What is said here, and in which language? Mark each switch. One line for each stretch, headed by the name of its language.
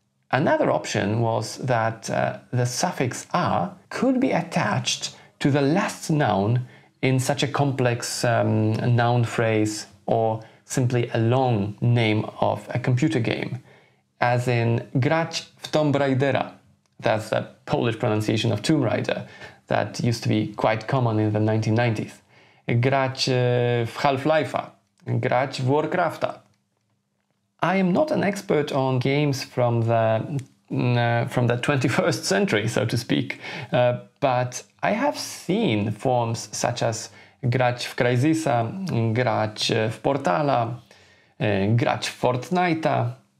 English: Another option was that the suffix a could be attached to the last noun in such a complex noun phrase or simply a long name of a computer game, as in
Polish: grać w Tomb Raidera.
English: That's the Polish pronunciation of Tomb Raider that used to be quite common in the 1990s.
Polish: Grać w Half-Life'a, grać w Warcraft'a.
English: I am not an expert on games from the 21st century, so to speak, but I have seen forms such as
Polish: grać w Crysisa, grać w Portala, grać w Fortnite'a.